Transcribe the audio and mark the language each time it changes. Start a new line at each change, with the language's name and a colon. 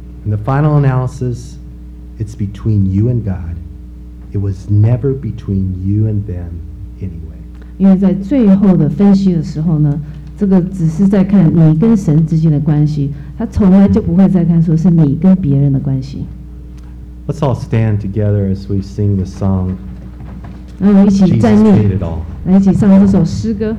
English: In the final analysis, it's between you and God. It was never between you and them anyway.
Chinese: 因为在最后的分析的时候呢，这个只是在看你跟神之间的关系，他从来就不会再看说是你跟别人的关系。
English: Let's all stand together as we sing the song.
Chinese: 那我们一起站立。来一起唱这首诗歌。